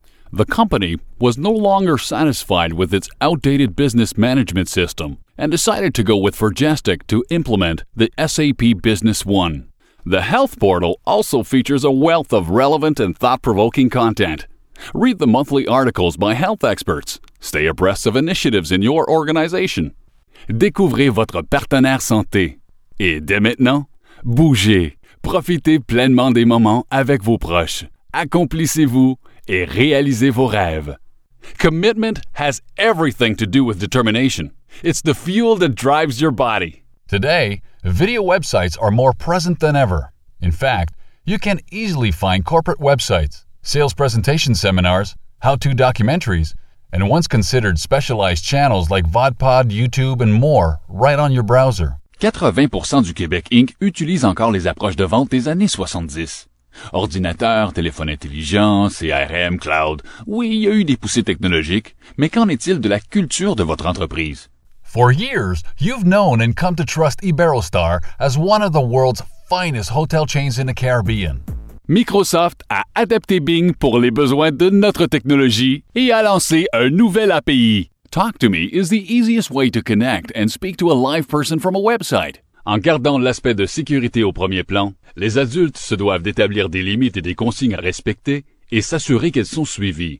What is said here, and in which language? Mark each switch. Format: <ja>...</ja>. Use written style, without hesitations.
<en>The company was no longer satisfied with its outdated business management system and decided to go with Virgestic to implement the SAP Business One. The health portal also features a wealth of relevant and thought-provoking content. Read the monthly articles by health experts. Stay abreast of initiatives in your organization.</en> <fr>Découvrez votre partenaire santé. Et dès maintenant, bougez. Profitez pleinement des moments avec vos proches. Accomplissez-vous et réalisez vos rêves.</fr> <en>Commitment has everything to do with determination. It's the fuel that drives your body. Today, video websites are more present than ever. In fact, you can easily find corporate websites, sales presentation seminars, how-to documentaries, and once considered specialized channels like Vodpod, YouTube, and more right on your browser.</en> <fr>80% du Québec Inc. utilise encore les approches de vente des années 70. Ordinateur, téléphone intelligent, CRM, cloud. Oui, il y a eu des poussées technologiques, mais qu'en est-il de la culture de votre entreprise?</fr> <en>For years, you've known and come to trust Iberostar as one of the world's finest hotel chains in the Caribbean.</en> <fr>Microsoft a adapté Bing pour les besoins de notre technologie et a lancé un nouvel API.</fr> <en>Talk to Me is the easiest way to connect and speak to a live person from a website.</en> <fr>En gardant l'aspect de sécurité au premier plan, les adultes se doivent d'établir des limites et des consignes à respecter et s'assurer qu'elles sont suivies.</fr>